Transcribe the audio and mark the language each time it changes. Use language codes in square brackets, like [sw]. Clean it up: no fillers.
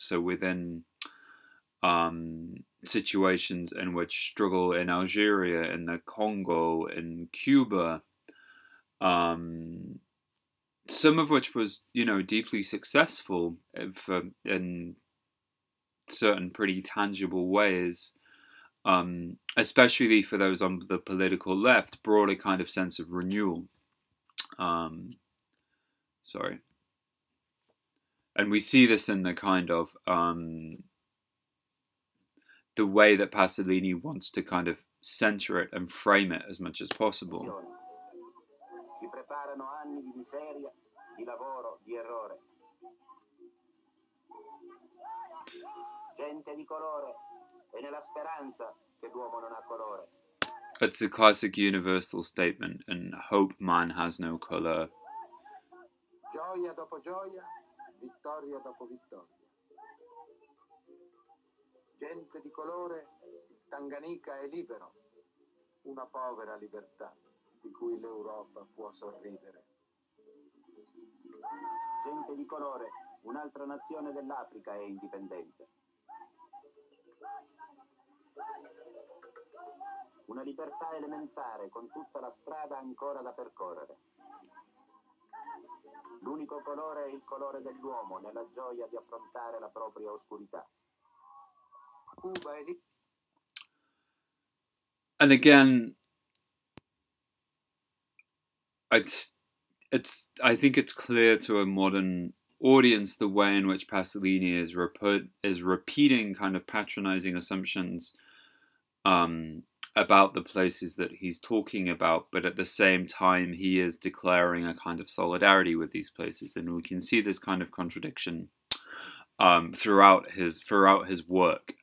[en] So within situations in which struggle in Algeria, in the Congo, in Cuba, some of which was, deeply successful for in certain pretty tangible ways, especially for those on the political left, brought a kind of sense of renewal. Sorry. And we see this in the kind of the way that Pasolini wants to kind of center it and frame it as much as possible. [it] Si preparano anni di miseria, di lavoro, di errore. Gente di colore e nella speranza che l'uomo non ha colore. [en] It's a classic universal statement, and hope man has no colour. [it] Gioia dopo gioia, vittoria dopo vittoria. Gente di colore, Tanganyika è libero. Una povera libertà di cui l'Europa può sorridere. Gente di colore, un'altra nazione dell'Africa è indipendente. Una libertà elementare con tutta la strada ancora da percorrere. L'unico colore è il colore dell'uomo nella gioia di affrontare la propria oscurità. Cuba è lì. [en] And again, it's I think it's clear to a modern audience the way in which Pasolini is repeating kind of patronizing assumptions about the places that he's talking about, but at the same time he is declaring a kind of solidarity with these places, and we can see this kind of contradiction throughout his work.